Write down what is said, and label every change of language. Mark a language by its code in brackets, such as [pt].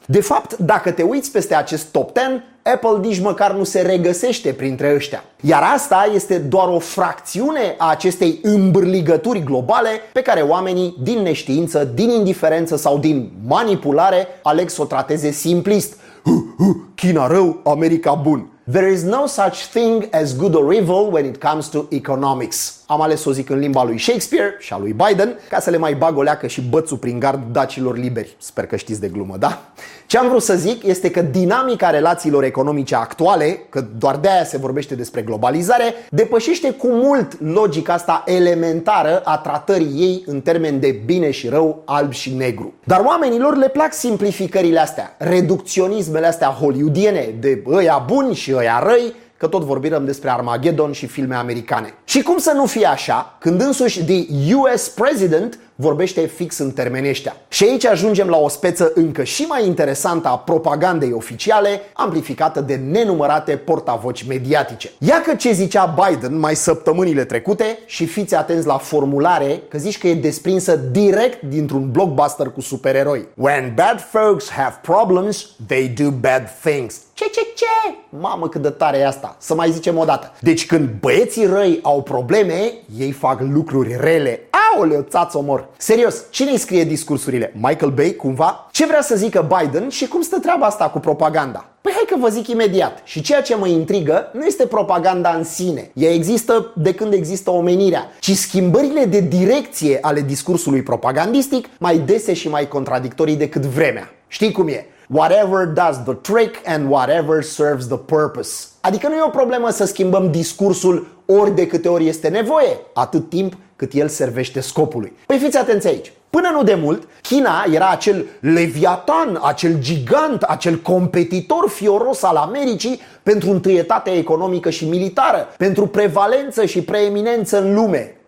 [ro] De fapt, dacă te uiți peste acest top 10, Apple nici măcar nu se regăsește printre ăștia. Iar asta este doar o fracțiune a acestei îmbârligături globale pe care oamenii, din neștiință, din indiferență sau din manipulare, aleg să o trateze simplist. China rău, America bun. [en] There is no such thing as good or evil when it comes to economics. [ro] Am ales să o zic în limba lui Shakespeare și a lui Biden, ca să le mai bag o leacă și bățul prin gard dacilor liberi. Sper că știți de glumă, da? Ce am vrut să zic este că dinamica relațiilor economice actuale, că doar de aia se vorbește despre globalizare, depășește cu mult logica asta elementară a tratării ei în termeni de bine și rău, alb și negru. Dar oamenilor le plac simplificările astea, reducționismele astea hollywoodiene de ăia buni și ăia răi, că tot vorbim despre Armageddon și filme americane. Și cum să nu fie așa, când însuși the US President vorbește fix în termeni ăștia. Și aici ajungem la o speță încă și mai interesantă a propagandei oficiale, amplificată de nenumărate portavoci mediatice. Ia că ce zicea Biden mai săptămânile trecute și fiți atenți la formulare, că zici că e desprinsă direct dintr-un blockbuster cu supereroi. [en] When bad folks have problems, they do bad things. [ro] Ce? Mamă, cât de tare e asta. Să mai zicem o dată. Deci când băieții răi au probleme, ei fac lucruri rele. Aoleo, țaț-o mor. Serios, cine scrie discursurile? Michael Bay, cumva? Ce vrea să zică Biden și cum stă treaba asta cu propaganda? Păi hai că vă zic imediat. Și ceea ce mă intrigă nu este propaganda în sine. Ea există de când există omenirea. Ci schimbările de direcție ale discursului propagandistic mai dese și mai contradictorii decât vremea. Știi cum e? [en] Whatever does the trick and whatever serves the purpose. [ro] Adică nu e o problemă să schimbăm discursul ori de câte ori este nevoie, atât timp cât el servește scopului. Păi fiți atenți aici. Până nu demult, China era acel leviatan, acel gigant, acel competitor fioros al Americii pentru întâietate economică și militară, pentru prevalență și preeminență în lume.